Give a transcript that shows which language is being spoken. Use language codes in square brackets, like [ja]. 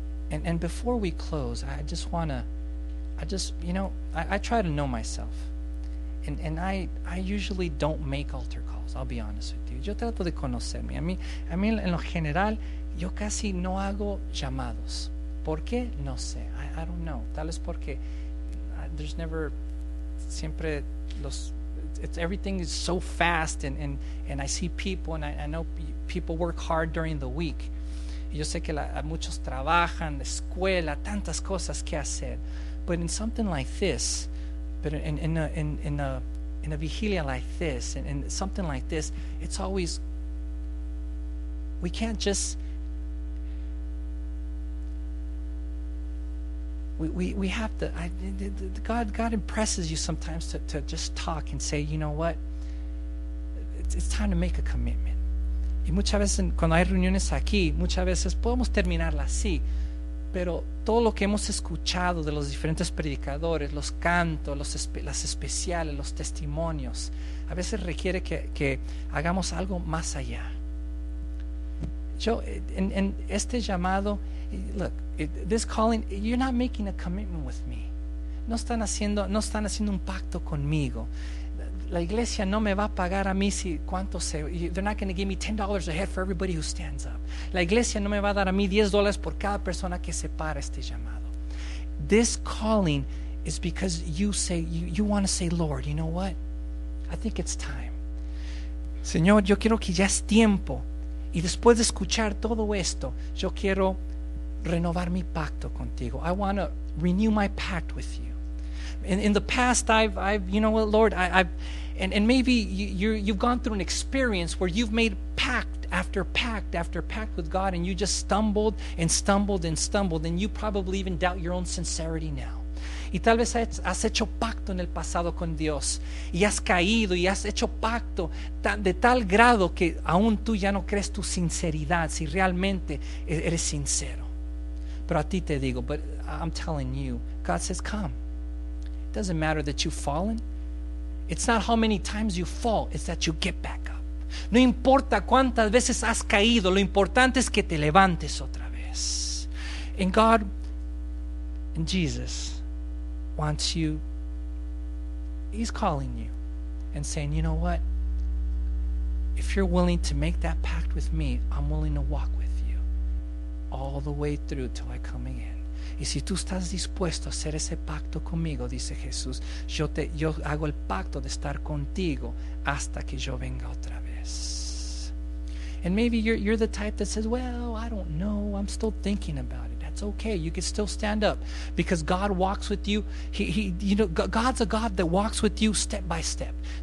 [en] And before we close, I try to know myself, and I usually don't make altar calls. I'll be honest with you. [es] Yo trato de conocerme. A mí en lo general yo casi no hago llamados. ¿Por qué? No sé. [en] I don't know. [es] Tal vez porque [en] there's never, [es] siempre los, [en] it's, everything is so fast, and I see people, and I know people work hard during the week. [es] Y yo sé que muchos trabajan, escuela, tantas cosas que hacer. [en] But in something like this, but in a vigilia like this, in something like this, it's always, we can't just, We have to. God impresses you sometimes to just talk and say, you know what? It's time to make a commitment. [es] Y muchas veces cuando hay reuniones aquí, muchas veces podemos terminarla así, pero todo lo que hemos escuchado de los diferentes predicadores, los cantos, las especiales, los testimonios, a veces requiere que hagamos algo más allá. Yo en este llamado, [en] look. This calling, you're not making a commitment with me. [es] No están haciendo un pacto conmigo. La iglesia no me va a pagar a mí si cuánto se. [en] They're not going to give me $10 a head for everybody who stands up. [es] La iglesia no me va a dar a mí $10 por cada persona que se para este llamado. [en] This calling is because you say you want to say, Lord, you know what? I think it's time. [es] Señor, yo quiero que ya es tiempo. Y después de escuchar todo esto, yo quiero renovar mi pacto contigo. [en] I want to renew my pact with you. In the past, I've you know what, Lord, I've and maybe you've gone through an experience where you've made pact after pact after pact with God, and you just stumbled and stumbled and stumbled, and you probably even doubt your own sincerity now. [es] Y tal vez has hecho pacto en el pasado con Dios y has caído y has hecho pacto de tal grado que aún tú ya no crees tu sinceridad, si realmente eres sincero. Pero a ti te digo, [en] but I'm telling you, God says, come. It doesn't matter that you've fallen. It's not how many times you fall, it's that you get back up. [es] No importa cuántas veces has caído, lo importante es que te levantes otra vez. [en] And God, and Jesus wants you, He's calling you and saying, you know what? If you're willing to make that pact with me, I'm willing to walk with you all the way through till I come again. [es] Y si tú estás dispuesto a hacer ese pacto conmigo, dice Jesús, yo hago el pacto de estar contigo hasta que yo venga otra vez. [en] And maybe you're the type that says, well, I don't know, I'm still thinking about it. That's okay, you can still stand up, because God walks with you. God's a God that walks with you step by step.